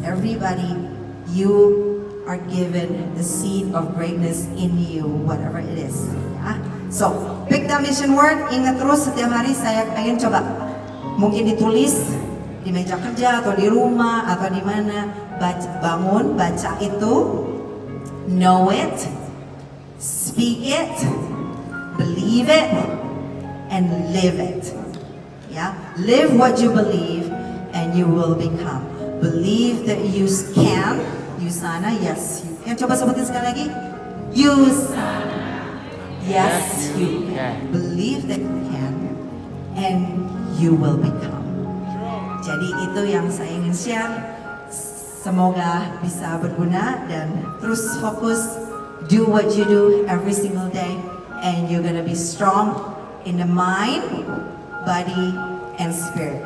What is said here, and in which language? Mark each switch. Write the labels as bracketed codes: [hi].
[en] Everybody, you are given the seed of greatness in you, whatever it is. Yeah. So, pick the mission word, [id] ingat terus setiap hari saya pengen coba. Mungkin ditulis di meja kerja, atau di rumah, atau di mana. Bangun, baca itu. [en] Know it. Speak it. Believe it. And live it. Yeah, live what you believe and you will become. Believe that you can. You sana, yes you can. [id] Coba sebutin sekali lagi. [en] You sana, yes you can. Believe that you can and you will become. [id] Jadi itu yang saya ingin share. Semoga bisa berguna dan terus fokus. [en] Do what you do every single day and you're gonna be strong in the mind, body, and spirit.